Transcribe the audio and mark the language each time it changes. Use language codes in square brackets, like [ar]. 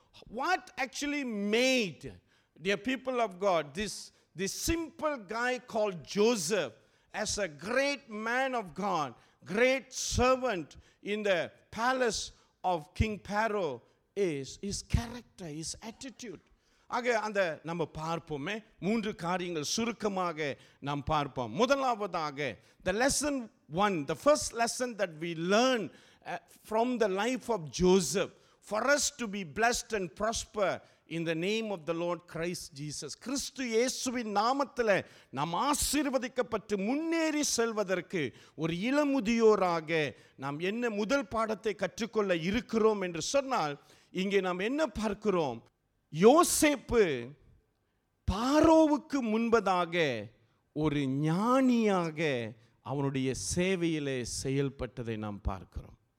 [en] What actually made, dear people of God, this simple guy called Joseph as a great man of God, great servant in the palace of King Pharaoh is his character, his attitude. [ta] ஆக அந்த நம்ம பார்ப்போமே, மூன்று காரியங்கள் சுருக்கமாக நாம் பார்ப்போம். முதலாவதாக, [en] the lesson one, the first lesson that we learn from the life of Joseph, for us to be blessed and prosper in the name of the Lord Christ Jesus. [ta] கிறிஸ்து இயேசுவின் நாமத்தில் நாம் ஆசீர்வதிக்கப்பட்டு முன்னேறி செல்வதற்கு ஒரு இளமுதியோராக நாம் என்ன முதல் பாடத்தை கற்றுக்கொள்ள இருக்கிறோம் என்று சொன்னால், இங்கே நாம் என்ன பார்க்கிறோம், யோசேப்பு பாரோவுக்கு முன்பதாக ஒரு ஞானியாக அவனுடைய சேவையிலே செயல்பட்டதை நாம் பார்க்கிறோம்.